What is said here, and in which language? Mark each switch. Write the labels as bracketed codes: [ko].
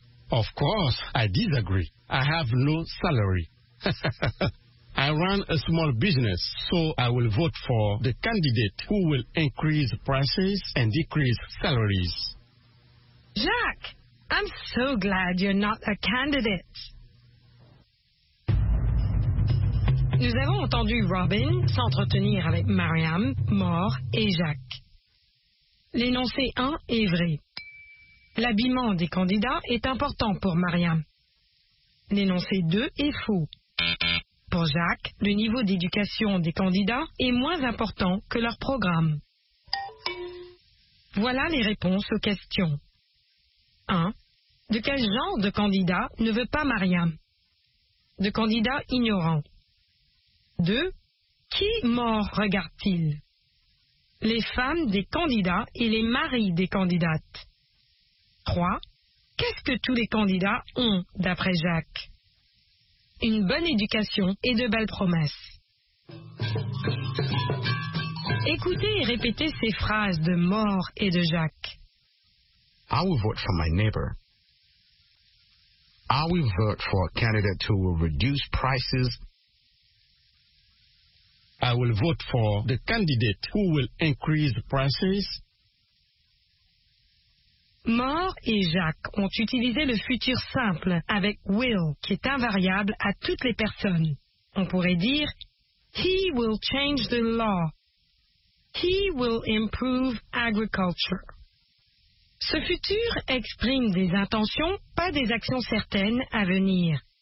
[en] Of course, I disagree. I have no salary. I run a small business, so I will vote for the candidate who will increase prices and decrease salaries. Jacques, I'm so glad you're not a candidate. [fr] Nous avons entendu Robin s'entretenir avec Mariam, Moore et Jacques. L'énoncé 1 est vrai. L'habillement des candidats est important pour Mariam. L'énoncé 2 est faux. Pour Jacques, le niveau d'éducation des candidats est moins important que leur programme. Voilà les réponses aux questions. 1. De quel genre de candidat ne veut pas Mariam? De candidat ignorant. 2. Qui mort regarde-t-il? Les femmes des candidats et les maris des candidates. 3. Qu'est-ce que tous les candidats ont, d'après Jacques? Une bonne éducation et de belles promesses. Écoutez et répétez ces phrases de Mort et de Jacques. [en] I will vote for my neighbor. I will vote for a candidate who will reduce prices. I will vote for the candidate who will increase the prices. [fr] Moore et Jacques ont utilisé le futur simple avec will, qui est invariable à toutes les personnes. On pourrait dire, [en] he will change the law. He will improve agriculture. [fr] Ce futur exprime des intentions, pas des actions certaines à venir.